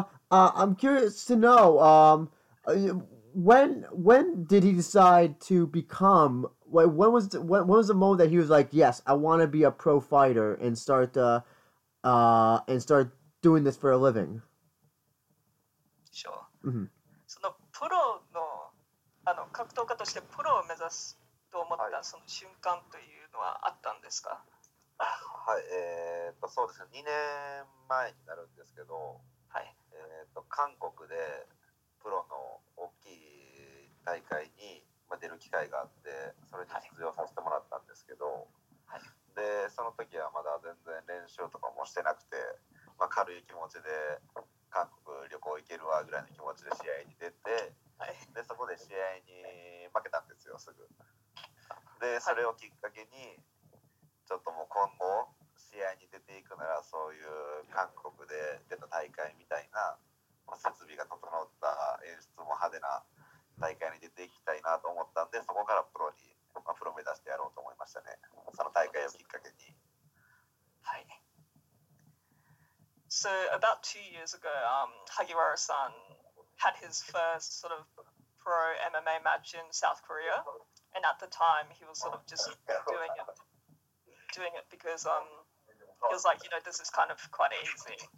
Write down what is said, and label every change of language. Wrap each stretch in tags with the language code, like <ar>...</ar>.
<en>I'm curious to know, when did he decide to become... When was the moment that he was like, yes, I want to be a pro fighter and start doing this for a living? Sure. Mm-hmm.</en> <ja>そのプロの、あの、格闘家としてプロを目指すと思ったその瞬間というのはあったんですか？はい、そうですね。2年前になるんですけど、はい。韓国で、プロの大きい大会に出る機会があって、それに出場させてもらったんですけど、はい、でその時はまだ全然練習とかもしてなくて、まあ、軽い気持ちで韓国旅行行けるわぐらいの気持ちで試合に出て、はい、でそこで試合に負けたんですよ、すぐで。それをきっかけにちょっともう今後試合に出ていくなら、そういう韓国で出た大会みたいな、まあ、設備が整った演出も派手な大会に出ていきたいなと思ったんで、そこからプロに、まあ、プロ目指してやろうと思いましたね、その大会をきっかけに。はい。</ja> <en>So about 2 years ago、Hagiwara-san had his first sort of pro MMA match in South Korea, and at the time he was sort of just doing it because he was like, you know, this is kind of quite easy.</en>